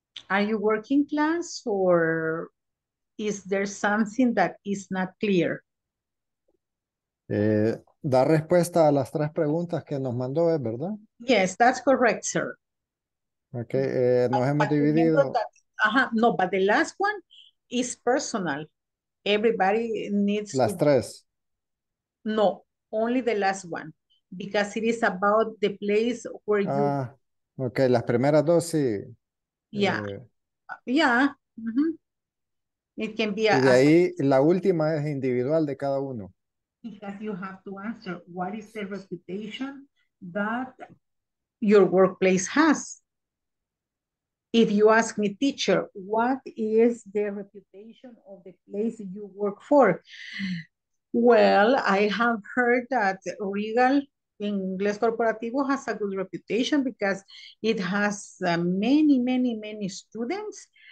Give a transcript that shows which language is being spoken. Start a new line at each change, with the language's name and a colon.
English: Are you working class or is there something that is not clear?
Spanish: Da respuesta a las tres preguntas que nos mandó, ¿verdad?
English: Yes, that's correct, sir.
Spanish: Okay, nos hemos dividido.
English: No, but the last one is personal. Everybody needs
Spanish: las tres.
English: No, only the last one, because it is about the place where you.
Spanish: Okay, las primeras dos sí.
English: Yeah. Yeah. Mm-hmm. It can be.
Spanish: Y de ahí la última es individual de cada uno.
English: Because you have to answer what is the reputation that your workplace has. If you ask me, teacher, what is the reputation of the place you work for? Well, I have heard that Regal Inglés Corporativo has a good reputation because it has many students.